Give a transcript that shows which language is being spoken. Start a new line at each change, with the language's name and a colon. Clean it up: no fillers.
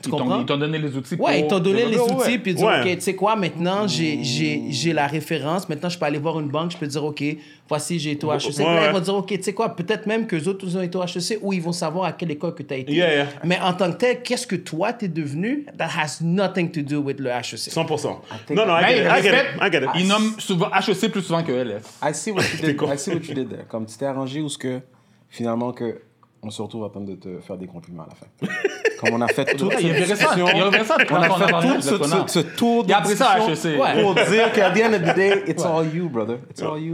French: Tu comprends? Ils t'ont donné les outils. Ouais, pour... ils t'ont donné les outils. Puis ils disent, OK, tu sais quoi, maintenant, j'ai la référence. Maintenant, je peux aller voir une banque. Je peux dire, OK, voici, j'ai été au HEC. Ouais, là, ouais. Ils vont dire, OK, tu sais quoi, peut-être même qu'eux autres ont été au HEC ou ils vont savoir à quelle école que tu as été.
English: Yeah, yeah.
French: Mais en tant que tel, qu'est-ce que toi, tu es devenu?
English: That has nothing to do with le HEC. 100%.
French: Non, non,
English: I get it.
French: Ils nomment souvent HEC plus souvent que LF.
English: I see what you did. I see what you did there.
French: Comme tu t'es arrangé ou ce que finalement que on se retrouve à peine de te faire des compliments à la fin. Comme on a fait toute cette discussion. Il a fait tout ce tour de discussion pour dire qu'à
English: the end of the day, it's all you, brother. It's all you.